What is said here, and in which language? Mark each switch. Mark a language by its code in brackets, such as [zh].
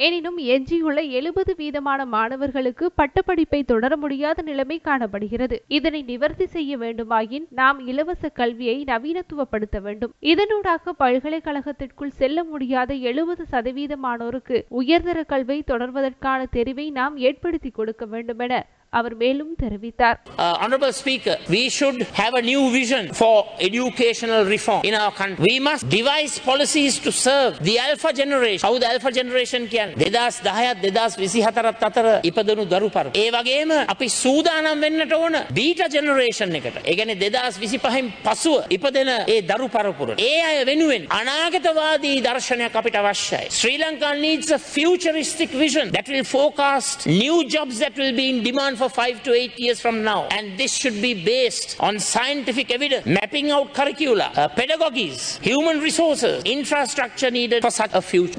[ta] எனினும் எஞ்சியுள்ள 70% மாணவர்களுக்கு பட்டப்படிப்பை தொடர முடியாத நிலைமை காணப்படுகிறது. இதனை நிவர்த்தி செய்ய வேண்டுமாயின் நாம் இலவச கல்வியை நவீனத்துவப்படுத்த வேண்டும். இதனூடாக பல்கலைக்கழகத்திற்குள் செல்ல முடியாத 70% உயர்தர கல்வியை தொடர்வதற்கான தெரிவை நாம் ஏற்படுத்தி கொடுக்க வேண்டும் என அவர் மேலும் தெரிவித்தார். [en] Honorable Speaker, we should have a new vision for educational reform in our country. We must devise policies to serve the alpha generation. How the alpha generation can? 2010 2024 [si] අතර ඉපදුණු දරු පරු. ඒ වගේම අපි සූදානම් වෙන්නට ඕන beta generation එකට. ඒ කියන්නේ 2025න් පසුව ඉපදෙන ඒ දරු පරපුරට. ඒ අය වෙනුවෙන් අනාගතවාදී දර්ශනයක් අපිට අවශ්‍යයි. [en] Sri Lanka needs a futuristic vision that will forecast new jobs that will be in demand for 5 to 8 years from now, and this should be based on scientific evidence, mapping out curricula, pedagogies, human resources, infrastructure needed for such a future.